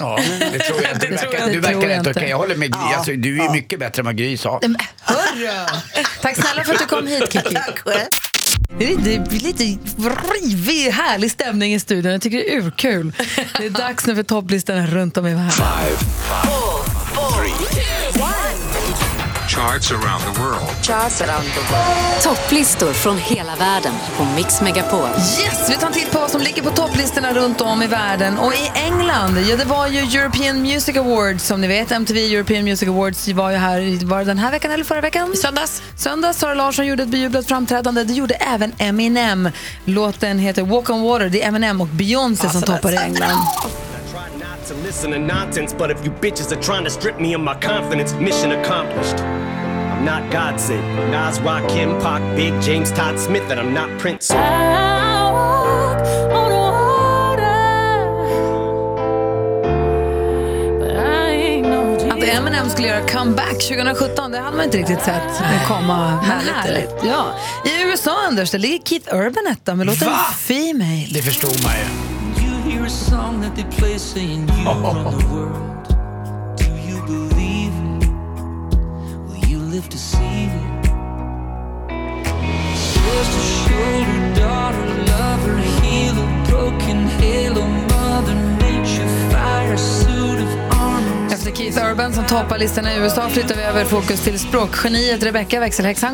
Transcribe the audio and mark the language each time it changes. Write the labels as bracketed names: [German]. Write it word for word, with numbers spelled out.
[Swedish] Ja, det tror jag inte. Du verkar, du verkar rätt okej. Okay. Jag håller med Gry. Ja, alltså, du är ju ja. mycket bättre än vad Gry sa. Tack snälla för att du kom hit, Kikki. Tack själv. Det är lite, lite rivig, härlig stämning i studion. Jag tycker det är urkul. Det är dags nu för topplistan runt om i världen. [English] Five, five, three, charts around the world. Charts around the world. [Swedish] Topplistor från hela världen på Mix Megapol. Yes, vi tar en titt på vad som ligger på topplistorna runt om i världen. Och i England, ja det var ju European Music Awards som ni vet. M T V European Music Awards var ju här, var den här veckan eller förra veckan? Söndags. Söndags, Sara Larsson gjorde ett bejublat framträdande. Det gjorde även Eminem. Låten heter Walk on Water. Det är Eminem och Beyoncé awesome. som toppar i England. [English] To listen to nonsense, but if you bitches are trying to strip me of my confidence, mission accomplished. I'm not Godsend, Nas, Rakim, Pac, Big James, Todd Smith, and I'm not Prince. I walk on water, but I ain't no Jesus. [Swedish] Att Eminem skulle göra comeback tjugosjutton, det hade man inte riktigt sett komma. Härligt. Ja. I U S A, Anders, det ligger Keith Urban etta med låten Female. Det förstod man ju. [English] Hear a song that they play saying you run the world. Do you believe it? Will you live to see it? Sister, shoulder, daughter, lover, healer, broken halo, mother nature, fire, suit of armor. [Swedish] Efter Keith Urban som toppar listorna i U S A flyttar vi över fokus till språkgeniet Rebecca Växelhäxan.